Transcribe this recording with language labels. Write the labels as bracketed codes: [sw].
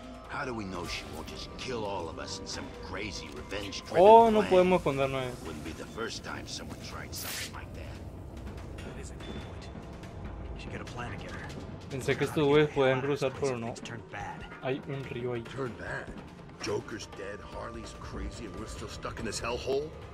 [en] How do we know she won't just kill all of us in some crazy revenge trip? [es] Oh, no podemos escondernos. [en] It wouldn't be the first time someone tried something like that. That is a good point. We should get a plan together. [es] Pensé que estos güeyes pueden cruzar, pero no. Hay un río ahí. [en] Turn bad. Joker's dead, Harley's crazy, and we're still stuck in this hellhole.